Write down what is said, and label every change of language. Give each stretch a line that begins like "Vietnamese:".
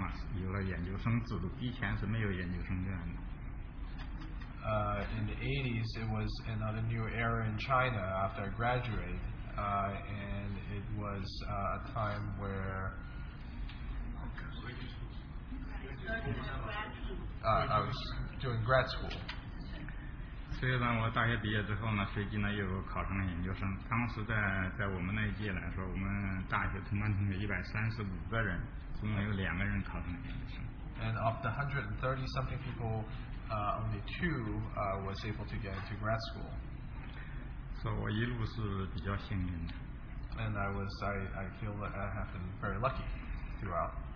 Chinese: 说四年大学毕业之后呢，我们呢又赶到一个幸运的时代，就是中国呢在1981年开始招研究生了，有了研究生制度，以前是没有研究生这样的。
English: In the 80s, it was another new era in China after I graduated, and it was a time where I was doing grad school.
Chinese: 虽然我大学毕业之后呢，随即呢又考上了研究生。当时在我们那一届来说，我们大学同班同学135个人，总共有两个人考上了研究生。And
English: of the 130 something people, only two was able to get into grad school.
Chinese: 所以我一路是比较幸运的。And
English: I feel that I have been very lucky throughout.